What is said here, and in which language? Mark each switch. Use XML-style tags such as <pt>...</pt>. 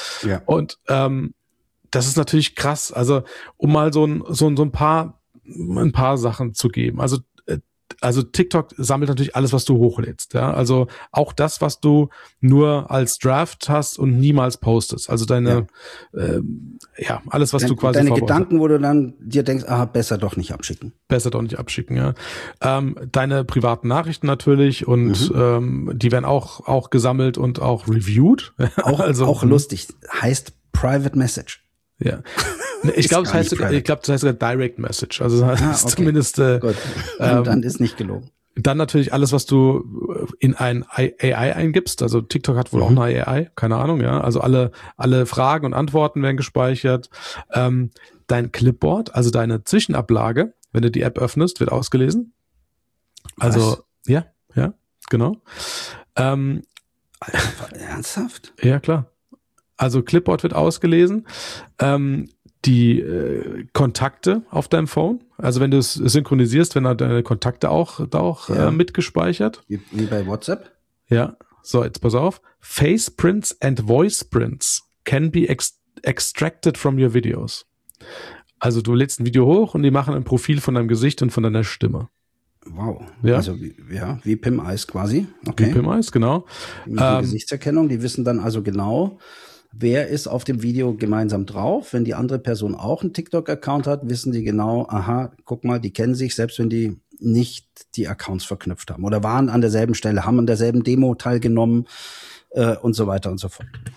<de>Ja. Und das ist natürlich krass. Also um mal ein paar Sachen zu geben. Also TikTok sammelt natürlich alles, was du hochlädst. Ja. Also auch das, was du nur als Draft hast und niemals postest. Also deine, alles, was du quasi deine Gedanken, wo du dann dir denkst, aha, besser doch nicht abschicken. Besser doch nicht abschicken, ja. Deine privaten Nachrichten natürlich und die werden auch gesammelt und auch reviewed. Auch, also, auch lustig. Heißt Private Message. Ja. Ich glaube, das heißt sogar Direct Message. Also das heißt zumindest. Gut. Dann ist nicht gelogen. Dann natürlich alles, was du in ein AI eingibst. Also TikTok hat wohl auch eine AI. Keine Ahnung, ja. Also alle Fragen und Antworten werden gespeichert. Dein Clipboard, also deine Zwischenablage, wenn du die App öffnest, wird ausgelesen. Also, was? Ja, genau. Ernsthaft? Ja, klar. Also Clipboard wird ausgelesen. Die Kontakte auf deinem Phone, also wenn du es synchronisierst, wenn deine Kontakte auch mitgespeichert. Wie bei WhatsApp? Ja, so jetzt pass auf.</de> <en>Face prints and voice prints can be extracted from your videos.</en> <de>Also du lädst ein Video hoch und die machen ein Profil von deinem Gesicht und von deiner Stimme. Wow, ja. Also wie PIM-Eyes quasi. Okay. Wie PIM-Eyes, genau. Die Gesichtserkennung, die wissen dann also genau, wer ist auf dem Video gemeinsam drauf? Wenn die andere Person auch einen TikTok-Account hat, wissen die genau, aha, guck mal, die kennen sich, selbst wenn die nicht die Accounts verknüpft haben oder waren an derselben Stelle, haben an derselben Demo teilgenommen und so weiter und so fort.</de>